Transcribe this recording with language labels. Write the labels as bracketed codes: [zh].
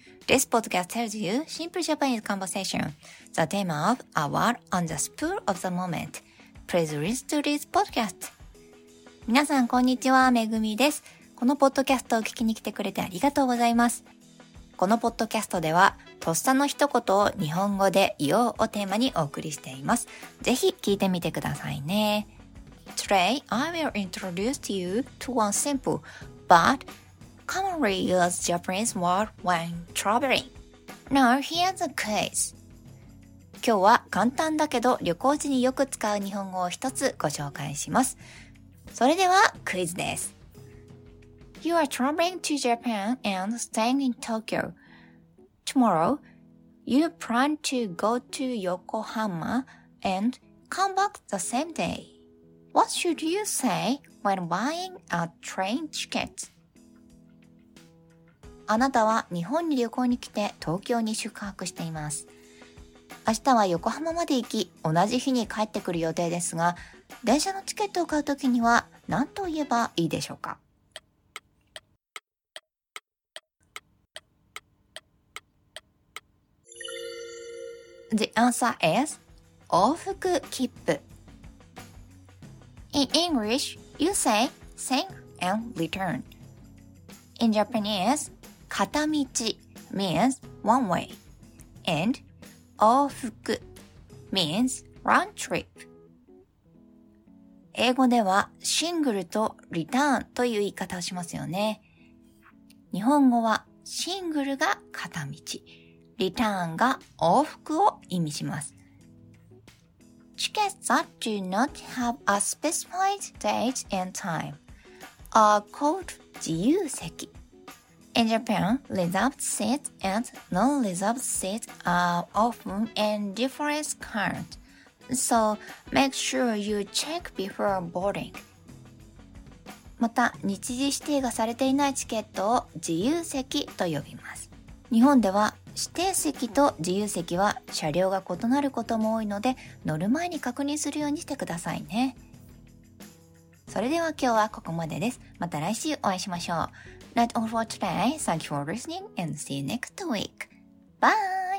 [en] This podcast tells you simple Japanese conversation, the theme of a word on the spur of the moment. Please listen to this podcast. [ja] 皆さんこんにちは、Megumiです。このポッドキャストを聞きに来てくれてありがとうございます。このポッドキャストではとっさの一言を日本語で言おうをテーマにお送りしています。ぜひ聞いてみてくださいね。 [en] Today I will introduce you to one simple but commonly used Japanese word when traveling. Now here's the quiz. [ja] 今日は簡単だけど旅行時によく使う日本語を一つご紹介します。それではクイズです。 [en] You are traveling to Japan and staying in Tokyo. Tomorrow, you plan to go to Yokohama and come back the same day. What should you say when buying a train ticket? [ja] あなたは日本に旅行に来て東京に宿泊しています。明日は横浜まで行き、同じ日に帰ってくる予定ですが、電車のチケットを買うときには何と言えばいいでしょうか？ [en] The answer is 往復切符。In English, you say same and return. In Japanese, 片道 means one way, and 往復 means round trip. [ja] 英語ではシングルとリターンという言い方をしますよね。日本語はシングルが片道、リターンが往復を意味します。 [en] Tickets that do not have a specified date and time are called 自由席。 In Japan, reserved seats and non-reserved seats are often in different count. So make sure you check before boarding. [ja] また、日時指定がされていないチケットを自由席と呼びます。日本では指定席と自由席は車両が異なることも多いので、乗る前に確認するようにしてくださいね。それでは今日はここまでです。また来週お会いしましょう。 [en] That's all for today. Thank you for listening and see you next week. Bye!